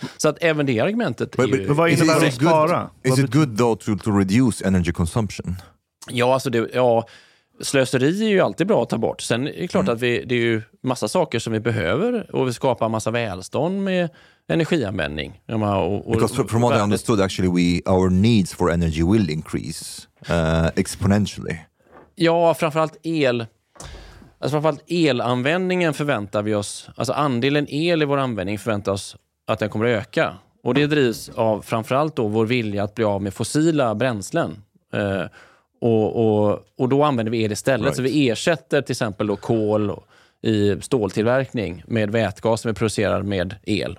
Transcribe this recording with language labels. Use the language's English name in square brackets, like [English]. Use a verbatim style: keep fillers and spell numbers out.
[Swedish] Så att även det argumentet [English] but, but, [Swedish] är ju... Vad innebär det att spara? [English] Is it good though to, to reduce energy consumption? [Swedish] Ja, alltså det, ja, slöseri är ju alltid bra att ta bort. Sen är det klart mm. att vi, det är ju massa saker som vi behöver och vi skapar massa välstånd med energianvändning. Och, och, [English] Because from, from what I understood actually we, our needs for energy will increase uh, exponentially. [Swedish] Ja, framförallt el... Alltså framförallt elanvändningen förväntar vi oss, alltså andelen el i vår användning förväntas att den kommer att öka. Och det drivs av framförallt då vår vilja att bli av med fossila bränslen. Eh, och, och, och då använder vi el istället. [English] Right. [Swedish] Så vi ersätter till exempel då kol i ståltillverkning med vätgas som vi producerar med el.